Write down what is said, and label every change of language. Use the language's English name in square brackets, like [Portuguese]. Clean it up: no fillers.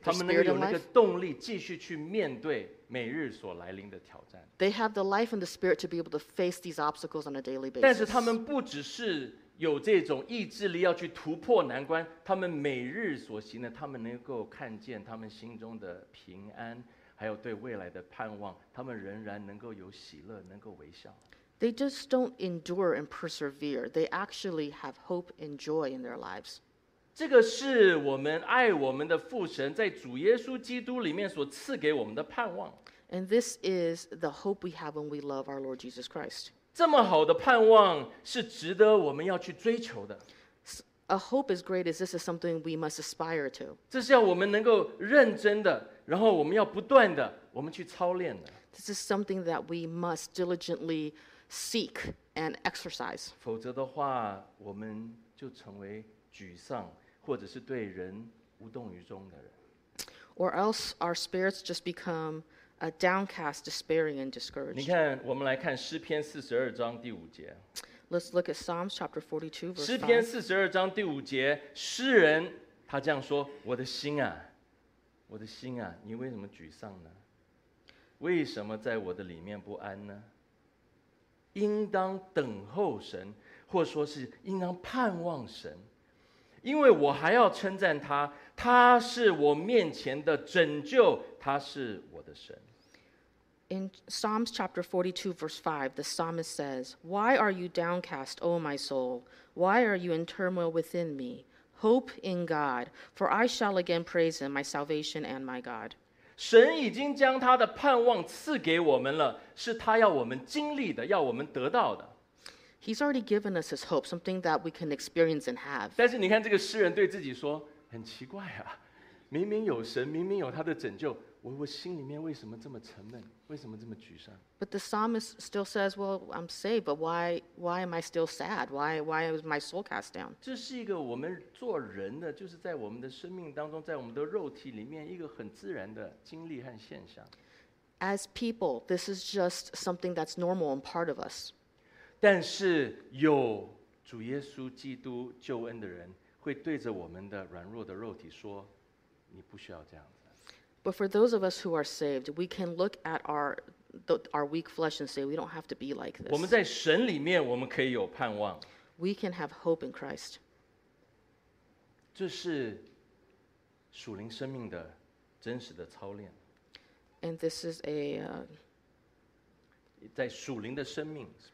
[Chinese] 他们能有那个动力继续去面对。每日所来临的挑战。 [English] They have the life and the spirit to be able to face these obstacles on a daily basis. [Chinese] 但是他们不只是有这种意志力要去突破难关，他们每日所行的，他们能够看见他们心中的平安，还有对未来的盼望，他们仍然能够有喜乐，能够微笑。 [English] They just don't endure and persevere. They actually have hope and joy in their lives. [Chinese] 这个是我们爱我们的父神在主耶稣基督里面所赐给我们的盼望。 [English] And this is the hope we have when we love our Lord Jesus Christ. [Chinese] 这么好的盼望是值得我们要去追求的。 [English] A hope as great as this is something we must aspire to. [Chinese] 这是要我们能够认真的，然后我们要不断的，我们去操练的。 [English] This is something that we must diligently seek and exercise. [Chinese] 否则的话，我们就成为沮丧。或者是对人无动于衷的人 [English] ，or else our spirits just become a downcast, despairing, and discouraged. [Chinese] 你看，我们来看诗篇四十二章第五节。 [English] Let's look at Psalms chapter 42, verse 5. [Chinese] 诗篇四十二章第五节，诗人他这样说：“我的心啊，我的心啊，你为什么沮丧呢？为什么在我的里面不安呢？应当等候神，或说是应当盼望神。” 因为我还要称赞他，他是我面前的拯救，他是我的神。 [English] In Psalms chapter 42, verse 5, the psalmist says, Why are you downcast, O my soul? Why are you in turmoil within me? hope in God, for I shall again praise Him, my salvation and my God. [Chinese] 神已经将他的盼望赐给我们了，是他要我们经历的，要我们得到的。 [English] He's already given us His hope, something that we can experience and have. [Chinese] 但是你看这个诗人对自己说，很奇怪啊，明明有神，明明有他的拯救，我心里面为什么这么沉闷，为什么这么沮丧？ [English] But the psalmist still says, well, I'm saved, but why am I still sad? Why is my soul cast down? [Chinese] 这是一个我们做人的，就是在我们的生命当中，在我们的肉体里面一个很自然的经历和现象。 [English] As people, this is just something that's normal and part of us. [Chinese] 但是有主耶稣基督救恩的人会对着我们的软弱的肉体说，你不需要这样。 [English] But for those of us who are saved, we can look at our weak flesh and say, we don't have to be like this. [Chinese] 我们在神里面，我们可以有盼望。 [English] We can have hope in Christ. [Chinese] 这是属灵生命的真实的操练。 [English] And this is a [Chinese] 在属灵的生命